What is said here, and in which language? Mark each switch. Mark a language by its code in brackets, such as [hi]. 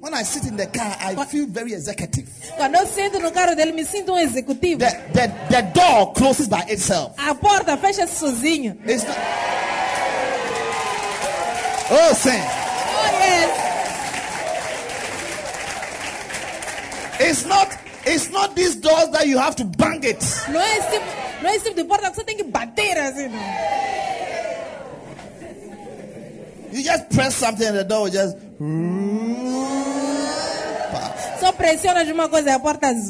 [en] When I sit in the car, I feel very executive. [pt] Quando eu sento no carro dele, me sinto executivo. [en] The door closes by itself. [pt] A porta fecha-se sozinho. [en] It's not... [pt] Oh, sim. [en] Oh, yes. It's not these doors that you have to bang it. [pt] Não é esse tipo, não é esse tipo de porta que você tem que bater assim. [en] You just press something and the door will just [pt] só pressiona de uma coisa e a porta